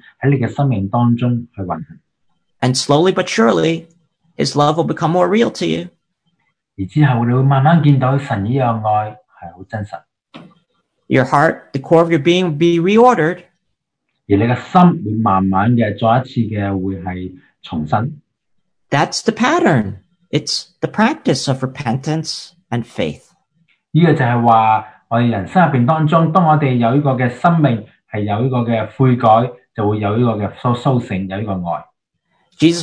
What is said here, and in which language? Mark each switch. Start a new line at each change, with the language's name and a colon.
Chinese: 所以若然去承认你自己是做错的时候，你是需要这个悔改，你需要神的这个恩典的时候，你就会慢慢地看到，就是说神的恩典在你的生命当中去运行。
English: And slowly but surely, His love will become more real to you.
Chinese: 而之后你会慢慢见到神这个爱是很真实。
English: Your heart, the core of your being, will be reordered.
Chinese: 而你的心会慢慢地再一次的会是重新。
English: That's the pattern. It's the practice of repentance and faith.
Chinese: 这个就是说，我们人生里面当中，当我们有这个生命，是有这个悔改，就会有这个苏醒，有这个爱。
English: Jesus